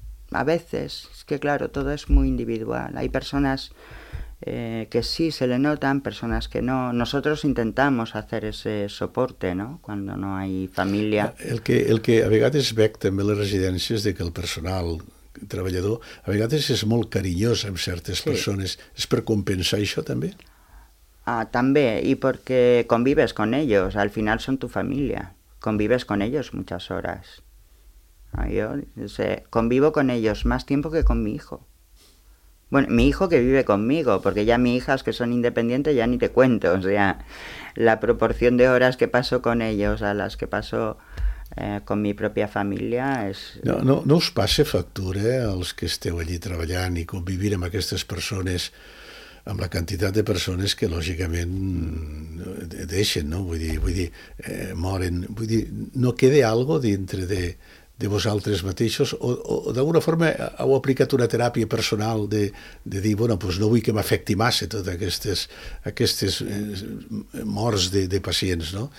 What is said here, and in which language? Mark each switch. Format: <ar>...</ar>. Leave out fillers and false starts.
<es>A veces. Es que, claro, todo es muy individual. Hay personas que sí se le notan, personas que no. Nosotros intentamos hacer ese soporte, ¿no?, cuando no hay familia.</es> <ca>El que a vegades veig també les residències, de que el personal treballador a vegades és molt carinyós amb certes sí. persones, és per compensar això també? Ah, també, i perquè</ca> <es>convives con ellos, al final</es> <ca>són</ca> <es>tu família, convives con ellos muchas horas. Yo convivo con ellos más tiempo que con mi hijo. Bueno, mi hijo que vive conmigo, porque ya mis hijas que son independientes ya ni te cuento. O sea, la proporción de horas que paso con ellos a las que paso con mi propia familia es...</es> <ca>No os passa factura, als que esteu allí treballant i convivir amb aquestes persones, amb la quantitat de persones que lògicament deixen, no? Vull dir moren. Vull dir, no queda algo dintre de vosaltres mateixos, o d'alguna forma heu aplicat una teràpia personal de dir, bueno, pues no vull que m'afecti massa totes aquestes morts de pacients, no?</ca>